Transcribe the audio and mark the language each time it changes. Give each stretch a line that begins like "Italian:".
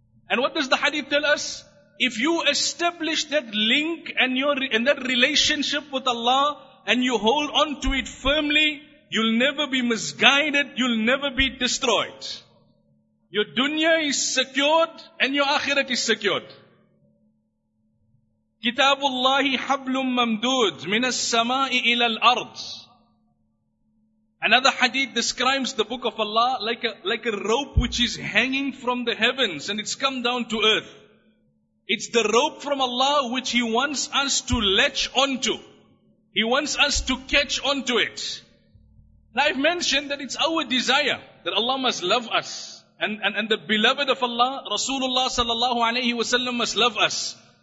English: And what does the hadith tell us? If you establish that link and that relationship with Allah and you hold on to it firmly, you'll never be misguided, you'll never be destroyed. Your dunya is secured and your akhirat is secured.
Arabic: كتاب الله حبل ممدود من السماء إلى الأرض.
English: Another hadith describes the book of Allah like a rope which is hanging from the heavens and it's come down to earth. It's the rope from Allah which He wants us to latch onto. He wants us to catch onto it. Now I've mentioned that it's our desire that Allah must love us and the beloved of Allah, Rasulullah
Arabic: sallallahu alayhi wa sallam,
English: must love us.